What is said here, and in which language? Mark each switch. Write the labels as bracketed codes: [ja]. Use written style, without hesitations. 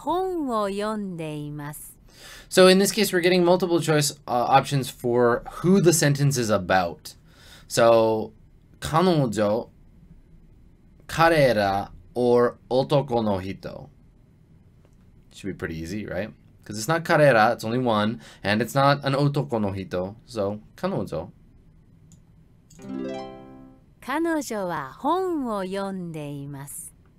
[ja] 女の人は車を運転しています。運転しています。は本を読んでいます。 [en] So in this case, we're getting multiple choice options for who the sentence is about. So, 彼女, 彼ら, or 男の人.Should be pretty easy, right? Because it's not 彼ら, it's only one, and it's not an 男の人. So, 彼女. [ja] 彼女は本を読んでいます。